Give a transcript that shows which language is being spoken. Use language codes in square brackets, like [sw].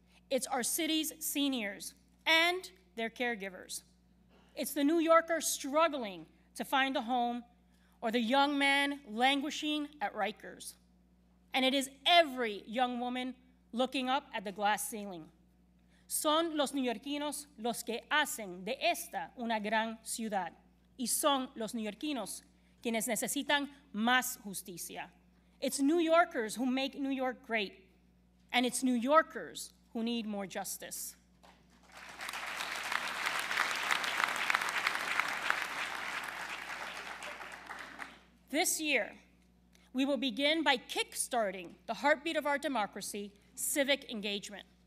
[en] It's our city's seniors and their caregivers. It's the New Yorker struggling to find a home, or the young man languishing at Rikers. And it is every young woman looking up at the glass ceiling. [es] Son los neoyorquinos los que hacen de esta una gran ciudad. Y son los neoyorquinos quienes necesitan más justicia. [en] It's New Yorkers who make New York great. And it's New Yorkers who need more justice. This year, we will begin by kickstarting the heartbeat of our democracy, civic engagement.